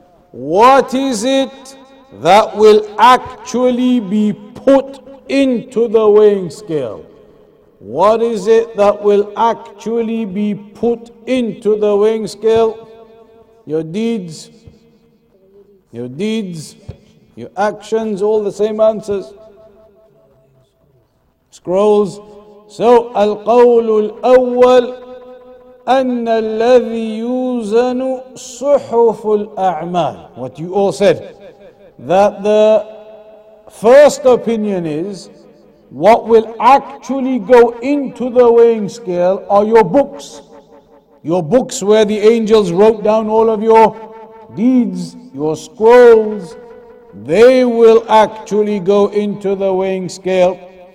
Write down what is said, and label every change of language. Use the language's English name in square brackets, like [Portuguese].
[English] What is it that will actually be put into the weighing scale? What is it that will actually be put into the weighing scale? Your deeds, your actions, all the same answers. Scrolls. [Arabic] So, القول الأول أن الذي يوزن صحف الأعمال. [English] What you all said. That the first opinion is, what will actually go into the weighing scale are your books. Your books where the angels wrote down all of your deeds, your scrolls, they will actually go into the weighing scale.